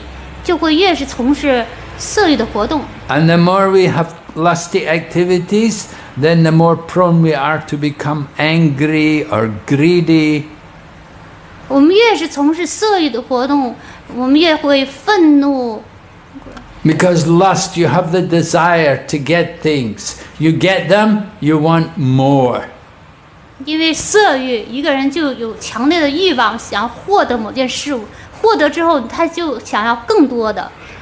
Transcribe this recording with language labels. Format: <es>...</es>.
<zh>我们越受激情属性吸引，就会越是从事色欲的活动。</zh> <en>And the more we have lusty activities, then the more prone we are to become angry or greedy.</en> <zh>我们越是从事色欲的活动，我们越会愤怒。</zh> <en>Because lust, you have the desire to get things. You get them, you want more.</en> <zh>因为色欲，一个人就有强烈的欲望，想获得某件事物。获得之后，他就想要更多的。</zh>